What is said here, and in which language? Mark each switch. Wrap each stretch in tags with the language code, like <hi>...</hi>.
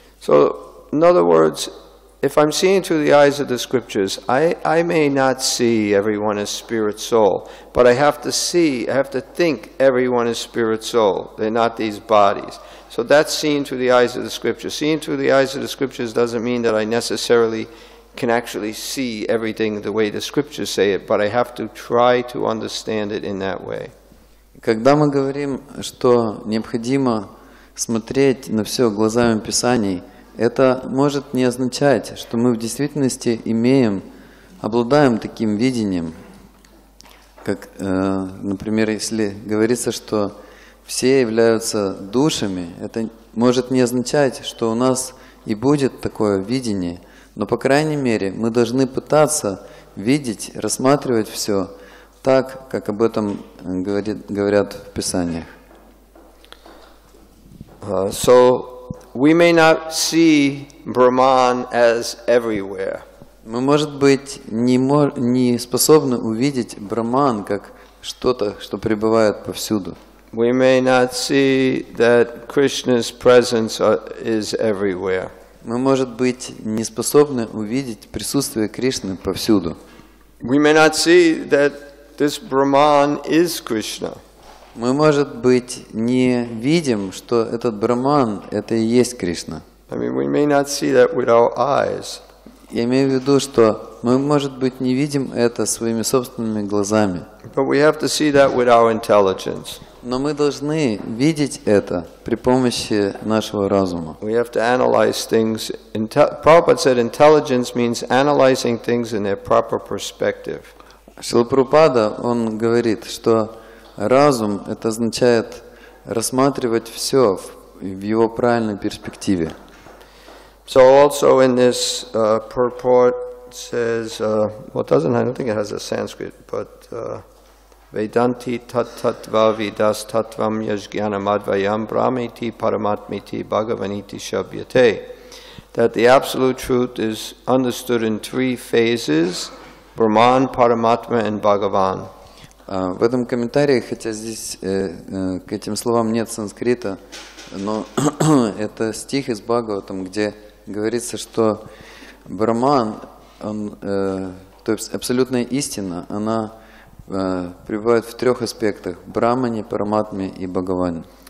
<en>So, in other words, if I'm seeing through the eyes of the scriptures, I may not see everyone as spirit soul, but I have to see, I have to think everyone is spirit soul. They're not these bodies. So that's seeing through the eyes of the scriptures. Seeing through the eyes of the scriptures doesn't mean that I necessarily can actually see everything the way the scriptures say it, but I have to try to understand it in that way.</en> <ru>Когда мы говорим, что необходимо смотреть на все глазами Писаний, это может не означать, что мы в действительности имеем, обладаем таким видением, как, например, если говорится, что все являются душами, это может не означать, что у нас и будет такое видение, но, по крайней мере, мы должны пытаться видеть, рассматривать все так, как об этом говорят в Писаниях.</ru> <en>So, we may not see Brahman as everywhere.</en> <ru>Мы, может быть, не способны увидеть Брахман как что-то, что пребывает повсюду.</ru> <en>We may not see that Krishna's presence is everywhere.</en> <ru>Мы, может быть, не способны увидеть присутствие Кришны повсюду.</ru> <en>We may not see that this Brahman is Krishna.</en> <ru>Мы, может быть, не видим, что этот Брахман – это и есть Кришна.</ru> <en>I mean, we may not see that with our eyes.</en> <ru>Я имею в виду, что мы, может быть, не видим это своими собственными глазами.</ru> <en>But we have to see that with our intelligence.</en> <ru>Но мы должны видеть это при помощи нашего разума.</ru> <en>We have to analyze things. Prabhupada said intelligence means analyzing things in their proper perspective.</en> <ru>Шрила Прабхупада, он говорит, что разум – это означает рассматривать все в его правильной перспективе.</ru> <en>So also in this purport says, I don't think it has a Sanskrit, but</en> <sa>Vedanti tattva vidas tattvam yajjnanam advayam brahmiti paramatmiti bhagavaniti shabhyate,</sa> <en>that the absolute truth is understood in three phases: Brahman, Paramatma, and Bhagavan.</en> <ru>В этом комментарии, хотя здесь к этим словам нет санскрита, но это стих из Бхагаватам, где говорится, что Брахман, то есть абсолютная истина, она пребывает в трех аспектах: Брахмане, Параматме и Бхагаване.</ru>